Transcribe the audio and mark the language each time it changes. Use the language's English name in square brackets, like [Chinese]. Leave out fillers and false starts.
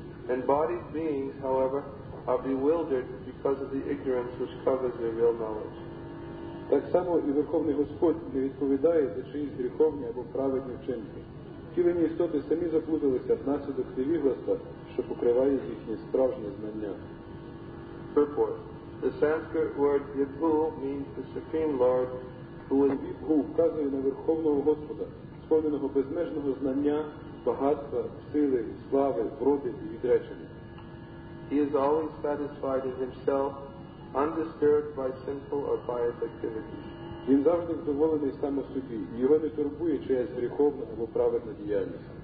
[English] Embodied beings, however, are bewildered because of the ignorance which covers their real knowledge. [Ukrainian] Так само і Верховний Господь не відповідає за чиїсь гріховні або праведні вчинки. Тілені істоти самі заплуталися внаслідок невігластва, що покриває їхнє справжнє знання. [English] Purport. The Sanskrit word Vibhu means the Supreme Lord who is... [Ukrainian] Vibhu вказує на Верховного Господа, сповненого безмежного знання, багатства, сили, слави, вроди, відречення. [English] He is always satisfied in himself, undisturbed by sinful or pious activities. [Ukrainian] Він завжди задоволений сам у собі. Його не турбує чиясь гріховна або праведна діяльність.